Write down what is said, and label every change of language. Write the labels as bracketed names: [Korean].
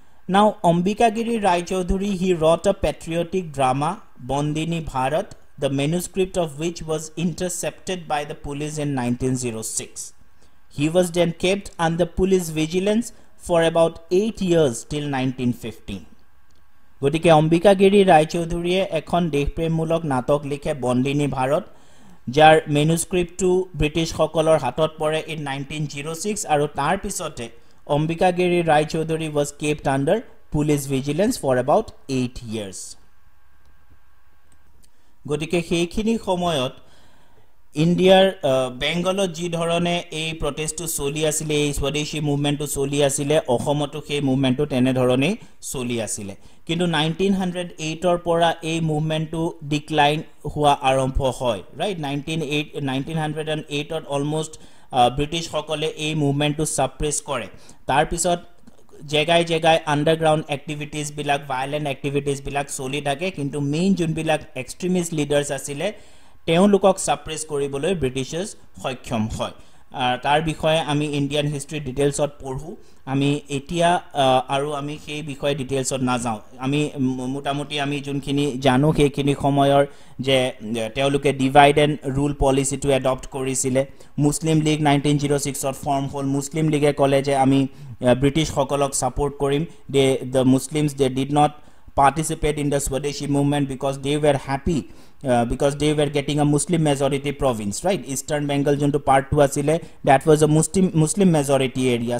[English] Now Ambika Giri Rai Choudhury, he wrote a patriotic drama Bandini Bharat, the manuscript of which was intercepted by the police in 1906. He was then kept under police vigilance for about 8 years till 1915. [Assamese] গতিকে অম্বিকাগিৰি ৰায়চৌধুৰীয়ে এখন দেশপ্ৰেমমূলক নাটক লিখে বন্দিনী ভাৰত, যাৰ মেনুস্ক্ৰিপ্টটো ব্ৰিটিছসকলৰ হাতত পৰে in 1906, আৰু তাৰ পিছতে Ambikagiri Roychowdhury [English] Was kept under police vigilance for about 8 years. [Assamese] গতিকে সেইখিনি সময়ত ইণ্ডিয়াৰ বেংগলত যিধৰণে এই প্ৰটেষ্টটো চলি আছিলে, এই স্বদেশী মুভমেণ্টটো চলি আছিলে, অসমতো সেই মুভমেণ্টটো তেনেধৰণেই চলি আছিলে। কিন্তু 1908ৰ পৰা এই মুভমেণ্টটো ডিক্লাইন হোৱা আৰম্ভ হয়, ৰাইট? 1908ত অলমষ্ট ব্ৰিটিছসকলে এই মুভমেণ্টটো ছাপ্ৰেছ কৰে। তাৰপিছত জেগাই জেগাই আণ্ডাৰগ্ৰাউণ্ড এক্টিভিটিছবিলাক, ভায়লেণ্ট এক্টিভিটিছবিলাক চলি থাকে, কিন্তু মেইন যোনবিলাক এক্সট্ৰিমিষ্ট লিডাৰ্ছ আছিলে তেওঁলোকক ছাপ্ৰেছ কৰিবলৈ ব্ৰিটিছেছ সক্ষম হয়। তাৰ বিষয়ে আমি ইণ্ডিয়ান হিষ্ট্ৰী ডিটেইলছত পঢ়োঁ। আমি এতিয়া আৰু আমি সেই বিষয়ে ডিটেইলছত নাযাওঁ। আমি মোটামুটি আমি যোনখিনি জানো সেইখিনি সময়ৰ, যে তেওঁলোকে ডিভাইড এণ্ড ৰুল পলিচিটো এডপ্ট কৰিছিলে। মুছলিম লীগ 1906ত ফৰ্ম হ'ল। মুছলিম লীগে ক'লে যে আমি ব্ৰিটিছসকলক ছাপোৰ্ট কৰিম। [English] The Muslims did not participate in the Swadeshi movement because they were happy, because they were getting a Muslim majority province, right? Eastern Bengal [Assamese] যোনটো পাৰ্টটো আছিলে, [English] That was a Muslim majority area.